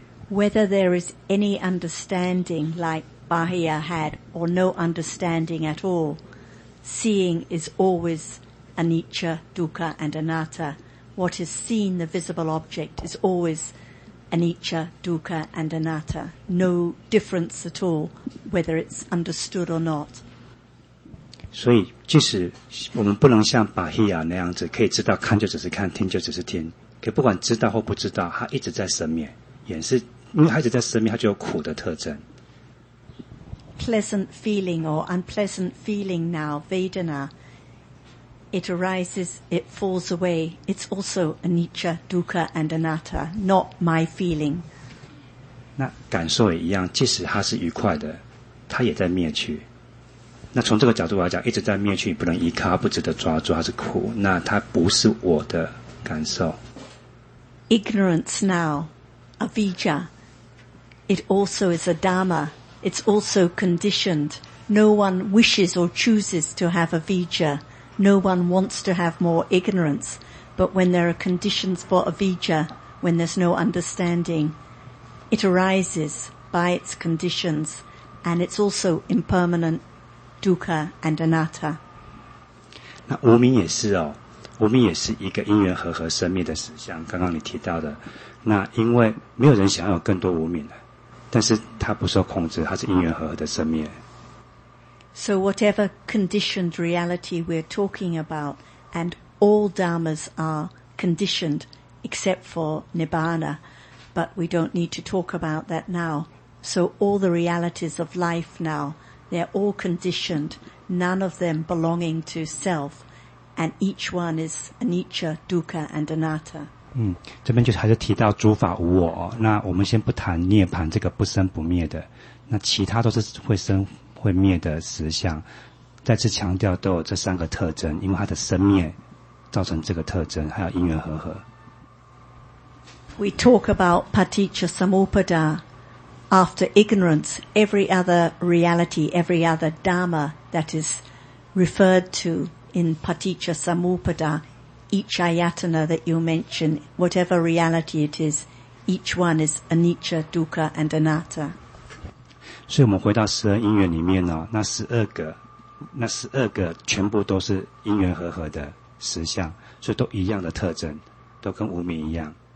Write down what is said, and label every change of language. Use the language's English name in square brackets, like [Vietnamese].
[English] Whether there is any understanding like Bahia had or no understanding at all, seeing is always anicca, dukkha and anatta. What is seen, the visible object, is always anicca, dukkha and anatta. No difference at all, whether it's understood or not. [Chinese] 所以即使我们不能像巴希亚那样子可以知道看就只是看听就只是听，可不管知道或不知道它一直在生灭，眼是因为它一直在生灭，它就有苦的特征。 [English] Pleasant feeling or unpleasant feeling now, Vedana, it arises, it falls away, it's also anicca, dukkha and anatta, not my feeling. [Chinese] 那感受也一样，即使它是愉快的，它也在灭去。那从这个角度来讲，一直在灭去，不能依靠，不值得抓住，它是苦。那它不是我的感受。 [English] Ignorance now, avijja, it also is a dharma. It's also conditioned. No one wishes or chooses to have avijja. No one wants to have more ignorance. But when there are conditions for avijja, when there's no understanding, it arises by its conditions, and it's also impermanent. Dukkha and anatta. [Chinese] 那无明也是哦，无明也是一个因缘和合生灭的实相。刚刚你提到的，那因为没有人想要有更多无明的，但是它不受控制，它是因缘和合的生灭。 [English] So whatever conditioned reality we're talking about, and all dharmas are conditioned except for nibbana, but we don't need to talk about that now. So all the realities of life now. They're all conditioned, none of them belonging to self, and each one is anicca, dukkha, and anatta. [Chinese] 这边就还是提到诸法无我，那我们先不谈涅槃这个不生不灭的，那其他都是会生会灭的实相，再次强调都有这三个特征，因为它的生灭造成这个特征，还有因缘和合。 [English] We talk about paticca samuppada. After ignorance, every other reality, every other dharma that is referred to in paticca samuppada, each ayatana that you mention, whatever reality it is, each one is anicca, dukkha, and anatta. [Chinese] 所以我们回到十二因缘里面呢、哦，那十二个全部都是因缘和合的实相，所以都一样的特征，都跟无明一样。